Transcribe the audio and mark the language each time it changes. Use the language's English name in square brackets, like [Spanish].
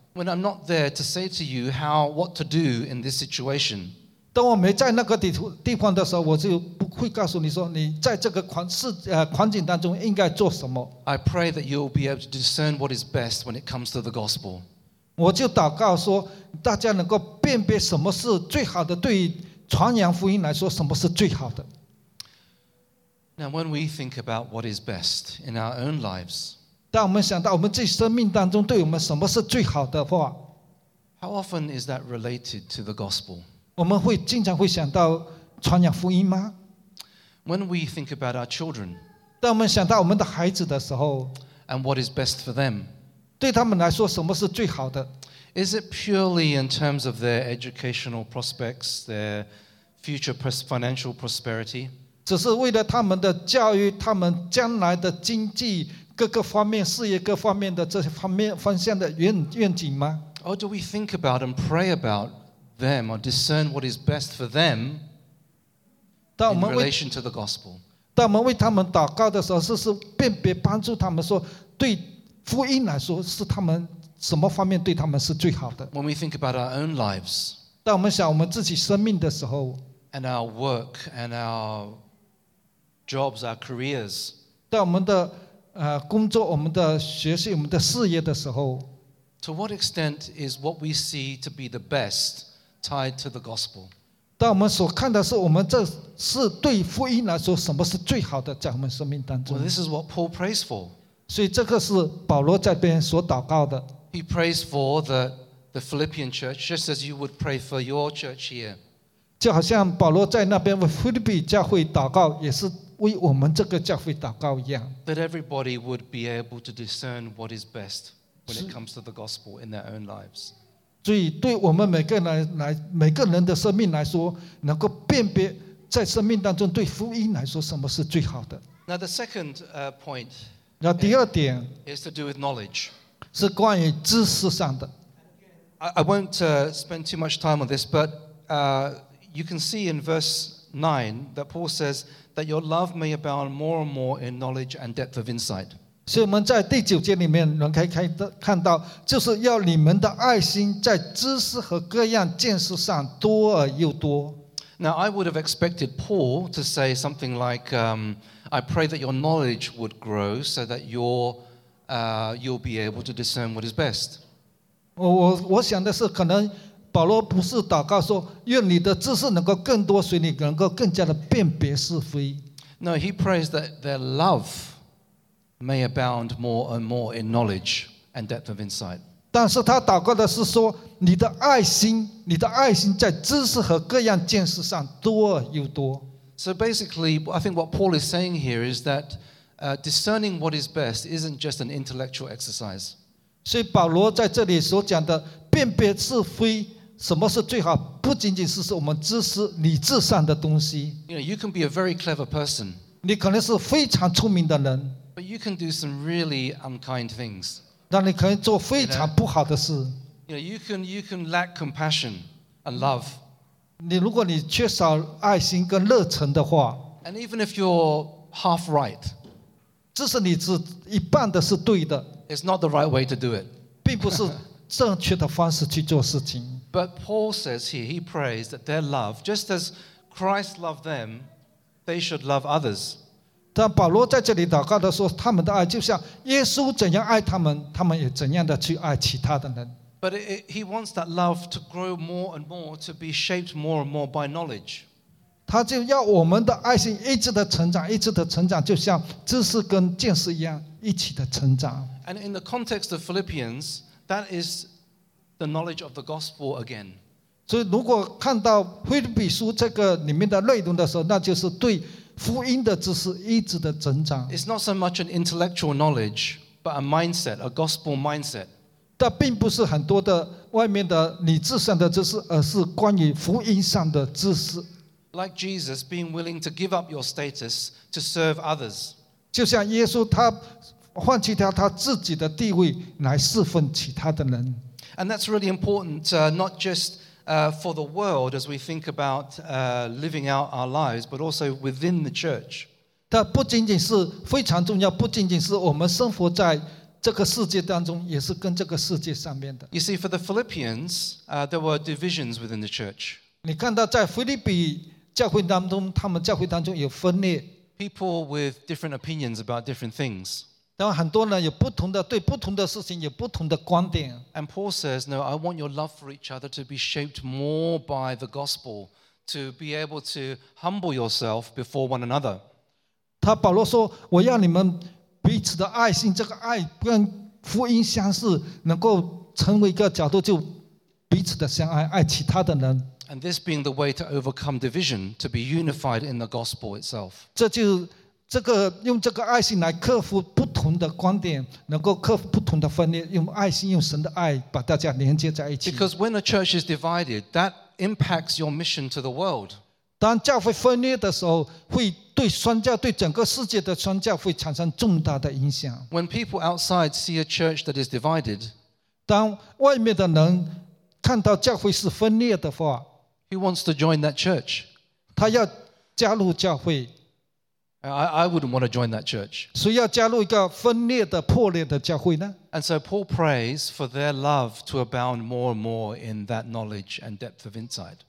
[English] When I'm not there to say to you how what to do in this situation. [Chinese] 当我没在那个地方的时候，我就不会告诉你说你在这个环境当中应该做什么。 [English] I pray that you'll be able to discern what is best when it comes to the gospel. [Chinese] 我就祷告说，大家能够辨别什么是最好的，对于传扬福音来说，什么是最好的。 [English] Now, when we think about what is best in our own lives, [Chinese] 当我们想到我们自己生命当中对我们什么是最好的话 [English] ，How often is that related to the gospel? [Chinese] 我们会经常会想到传扬福音吗 [English] ？When we think about our children， [Chinese] 当我们想到我们的孩子的时候 [English] ，and what is best for them， [Chinese] 对他们来说什么是最好的 [English] ？Is it purely in terms of their educational prospects, their future financial prosperity？ [Chinese] 只是为了他们的教育，他们将来的经济各个方面、事业各方面的这些方向的愿景吗 [English] ？Or do we think about and pray about？ Them or discern what is best for them in relation to the gospel. [Chinese] 当我们为他们祷告的时候，是辨别帮助他们说，对福音来说，是他们什么方面对他们是最好的。 [English] When we think about our own lives, [Chinese] 当我们想我们自己生命的时候 [English] ，and our work and our jobs, our careers, [Chinese] 当我们的工作、我们的学习、我们的事业的时候 [English] ，to what extent is what we see to be the best? Tied to the gospel. [Chinese] 当我们所看的是，我们这是对福音来说，什么是最好的，在我们生命当中。 [English] Well, this is what Paul prays for. [Chinese] 所以这个是保罗在边所祷告的。 [English] He prays for the Philippian church, just as you would pray for your church here. [Chinese] 就好像保罗在那边为腓立比教会祷告，也是为我们这个教会祷告一样。 [English] That everybody would be able to discern what is best when it comes to the gospel in their own lives. [Chinese] 所以对我们每个人的生命来说，能够辨别在生命当中对福音来说什么是最好的。 [English] Now the second point. [Chinese] 那第二点 [English] is to do with knowledge. [Chinese] 是关于知识上的。 [English] I won't spend too much time on this, but you can see in verse 9 that Paul says that your love may abound more and more in knowledge and depth of insight. [Chinese] 所以我们在第九节里面能看到，就是要你们的爱心在知识和各样见识上多而又多。 [English] Now I would have expected Paul to say something like, "I pray that your knowledge would grow so that you'll be able to discern what is best." [Chinese] 我想的是，可能保罗不是祷告说愿你的知识能够更多，所以你能够更加的辨别是非。 [English] No, he prays that their love may abound more and more in knowledge and depth of insight. [Chinese] 但是他祷告的是说，你的爱心，你的爱心在知识和各样见识上多又多。 [English] So basically, I think what Paul is saying here is that discerning what is best isn't just an intellectual exercise. [Chinese] 所以保罗在这里所讲的辨别是非，什么是最好，不仅仅是我们知识理智上的东西。 [English] You know, you can be a very clever person. [Chinese] 你可能是非常聪明的人。 [English] But you can do some really unkind things. [Chinese] 让你可能做非常不好的事。 [English] You know, you can lack compassion and love. [Chinese] 你如果你缺少爱心跟热忱的话。 [English] And even if you're half right. [Chinese] 即使你是一半的是对的。 [English] It's not the right way to do it. [Chinese] 并不是正确的方式去做事情。 [English] But Paul says here, he prays that their love, just as Christ loved them, they should love others. [Chinese] 但保罗在这里祷告的说，他们的爱就像耶稣怎样爱他们，他们也怎样的去爱其他的人。 [English] But he wants that love to grow more and more, to be shaped more and more by knowledge. [Chinese] 他就要我们的爱心一直的成长，一直的成长，就像知识跟见识一样，一起的成长。 [English] And in the context of Philippians, that is the knowledge of the gospel again. [Chinese] 所以如果看到腓立比书这个里面的内容的时候，那就是对福音的知识一直的增长。 [English] It's not so much an intellectual knowledge, but a mindset, a gospel mindset. [Chinese] 但并不是很多的外面的理智上的知识，而是关于福音上的知识。 [English] Like Jesus being willing to give up your status to serve others. [Chinese] 就像耶稣他放弃掉他自己的地位来侍奉其他的人。 [English] And that's really important, not just for the world as we think about living out our lives, but also within the church. [Chinese] 它不仅仅是非常重要，不仅仅是我们生活在这个世界当中，也是跟这个世界上面的。 [English] You see, for the Philippians, there were divisions within the church. [Chinese] 你看到在腓立比教会当中，他们教会当中有分裂。 [English] People with different opinions about different things. [Chinese] 但很多人有不同的对不同的事情有不同的观点。 [English] And Paul says, "No, I want your love for each other to be shaped more by the gospel, to be able to humble yourself before one another." [Chinese] 他保罗说，我要你们彼此的爱心，这个爱跟福音相似，能够成为一个角度，就彼此的相爱，爱其他的人。 [English] And this being the way to overcome division, to be unified in the gospel itself. [Chinese] 这就这个用这个爱心来克服不同的观点，能够克服不同的分裂，用爱心，用神的爱把大家连接在一起。 [English] Because when a church is divided, that impacts your mission to the world. [Chinese] 当教会分裂的时候，会对宣教，对整个世界的宣教会产生重大的影响。 [English] When people outside see a church that is divided, [Chinese] 当外面的人看到教会是分裂的话 [English] ，He wants to join that church. [Chinese] 他要加入教会。 [English] I wouldn't want to join that church. [Chinese] 所以要加入一个分裂的破裂的教会呢？ [English] And so Paul prays for their love to abound more and more in that knowledge and depth of insight.